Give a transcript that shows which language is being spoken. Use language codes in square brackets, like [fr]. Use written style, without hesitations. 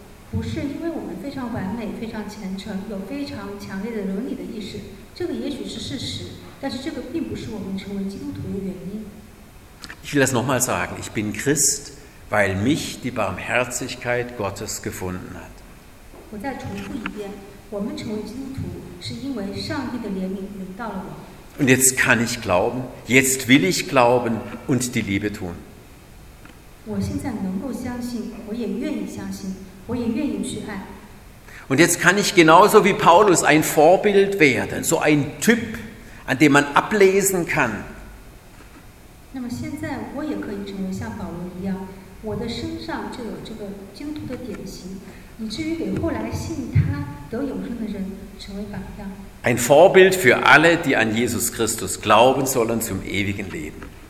[zh] 不是因为我们非常完美、非常虔诚、有非常强烈的伦理的意识，这个也许是事实，但是这个并不是我们成为基督徒的原因。 [de] Ich will das nochmal sagen. Ich bin Christ, weil mich die Barmherzigkeit Gottes gefunden hat. [zh] 我再重复一遍，我们成为基督徒是因为上帝的怜悯临到了我。 [de] Und jetzt kann ich glauben, jetzt will ich glauben und die Liebe tun. [zh] 我现在能够相信，我也愿意相信，我也愿意去爱。 [de] Und jetzt kann ich genauso wie Paulus ein Vorbild werden, so ein Typ, an dem man ablesen kann. [zh] 那么现在我也可以成为像保罗一样，我的身上就有这个基督徒的典型，以至于给后来信他得永生的人成为榜样。 [de] Ein Vorbild für alle, die an Jesus Christus glauben sollen zum ewigen Leben.